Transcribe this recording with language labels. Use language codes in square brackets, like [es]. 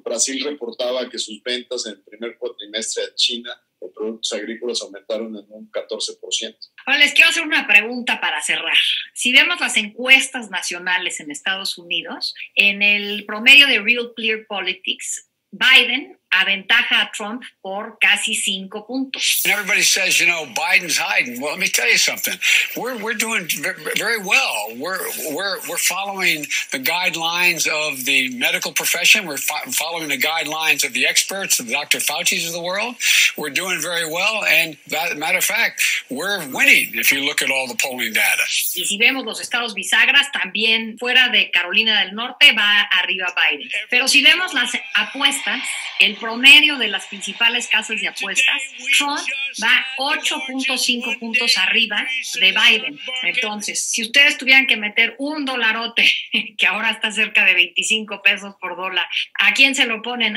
[es] Brasil reportaba que sus ventas en el primer cuatrimestre a China de productos agrícolas aumentaron en un 14%. Ahora les quiero hacer una pregunta para cerrar. Si vemos las encuestas nacionales en Estados Unidos, en el promedio de Real Clear Politics, Biden aventaja a Trump por casi 5 puntos. [en] And everybody says, you know, Biden's hiding. Well, let me tell you something. We're doing very well. We're following the guidelines of the medical profession. We're following the guidelines of the experts, of the Dr. Fauci's of the world. We're doing very well. And that, matter of fact, we're winning if you look at all the polling data. [es] Y si vemos los estados bisagras, también fuera de Carolina del Norte va arriba Biden. Pero si vemos las apuestas, el promedio de las principales casas de apuestas, Trump va 8.5 puntos arriba de Biden. Entonces, si ustedes tuvieran que meter un dolarote, que ahora está cerca de 25 pesos por dólar, ¿a quién se lo ponen?